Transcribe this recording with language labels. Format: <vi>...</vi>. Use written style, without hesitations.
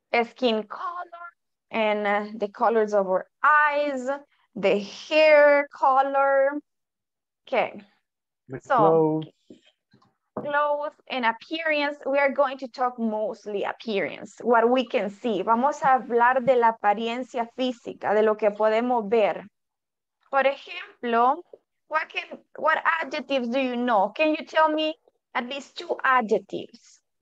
<en>Skin color, and the colors of our eyes, the hair color. Okay. Clothes and appearance, we are going to talk mostly appearance, what we can see.</en> <es>Vamos a hablar de la apariencia física, de lo que podemos ver. Por ejemplo,</es> <en>what adjectives do you know? Can you tell me at least two adjectives?</en>